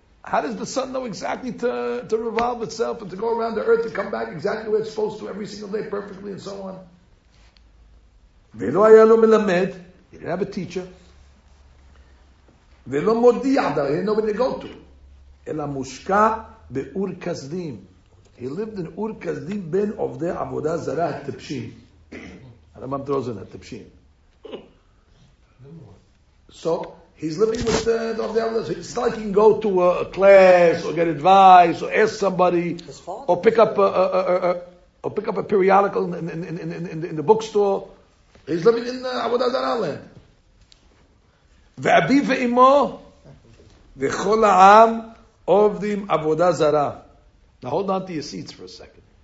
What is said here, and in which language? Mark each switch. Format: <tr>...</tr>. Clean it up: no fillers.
<en>How does the sun know exactly to revolve itself and to go around the earth and come back exactly where it's supposed to every single day perfectly and so on?</en> <he>ולא היה לו מלמד,</he> <en>he didn't have a teacher,</en> <he>ולא מודיע,</he> <en>he didn't know where to go to,</en> <he>אלא מושקע באור כזדים.</he> <en>He lived in</en> <he>אור כזדים בין עובדי עבודה זרה הטפשים. הרמב"ם דרוזן, הטפשים.</he> <en>So, he's living with the עובדי עבודה זרה. It's not like he can go to a class or get advice or ask somebody or pick up a periodical in the bookstore. He's living in עבודה זרה land.</en> <he>ואביו ואמו וכל העם עובדים עבודה זרה.</he> <en>Now hold on to your seats for a second.</en>